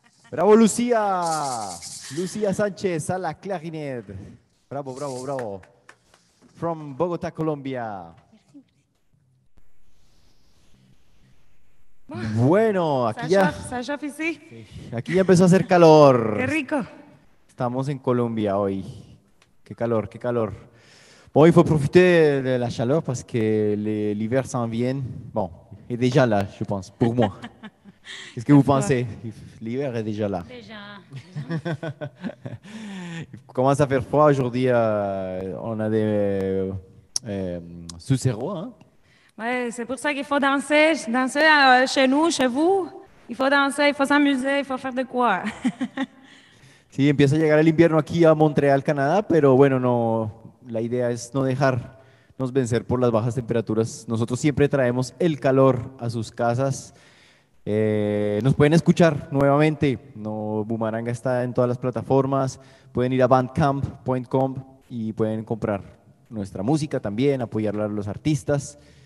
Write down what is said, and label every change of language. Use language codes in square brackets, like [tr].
[es] ¡Bravo, Lucía! Lucía Sánchez a la clarinet. ¡Bravo, bravo, bravo! [en] From Bogotá, Colombia. [es] Bueno, aquí ya... Sí. Aquí ya empezó a hacer calor. ¡Qué rico! Estamos en Colombia hoy. ¡Qué calor, qué calor! [fr] Bon, il faut profiter de la chaleur parce que l'hiver s'en vient. Bon, il est déjà là, je pense, pour moi. Qu'est-ce que vous pensez? L'hiver est déjà là. Déjà. Il commence à faire froid aujourd'hui. On a des sous zéro. Hein? Ouais, c'est pour ça qu'il faut danser. Danser chez nous, chez vous. Il faut danser, il faut s'amuser, il faut faire de quoi. [es] Sí, empieza a llegar el invierno aquí a Montreal, Canadá, pero bueno, no... La idea es no dejarnos vencer por las bajas temperaturas. Nosotros siempre traemos el calor a sus casas. Nos pueden escuchar nuevamente. No, Bumaranga está en todas las plataformas. Pueden ir a bandcamp.com y pueden comprar nuestra música también, apoyar a los artistas.